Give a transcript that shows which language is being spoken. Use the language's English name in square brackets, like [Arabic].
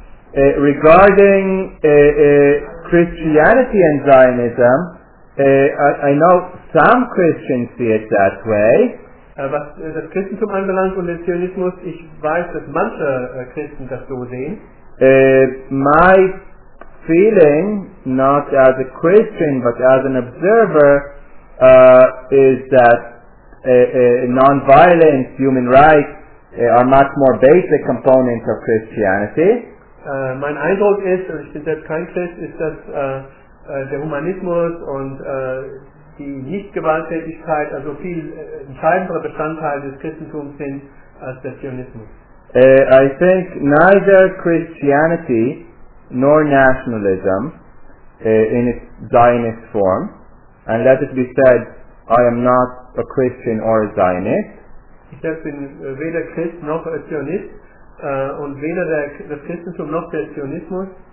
[English] Regarding Christianity and Zionism, I know some Christians see it that way. [German] Was das Christentum anbelangt und den Zionismus, ich weiß, dass manche Christen das so sehen. [English] My feeling, not as a Christian, but as an observer, is that non-violence, human rights, are much more basic components of Christianity. [German] Mein Eindruck ist, und ich bin selbst kein Christ, ist, dass der Humanismus und die Nichtgewalttätigkeit also viel entscheidendere Bestandteile des Christentums sind als der Zionismus. [English] I think neither Christianity nor nationalism in its Zionist form, and let it be said, I am not a Christian or a Zionist. [German] Ich bin weder Christ noch ein Zionist, und weder das Christentum noch der Zionismus.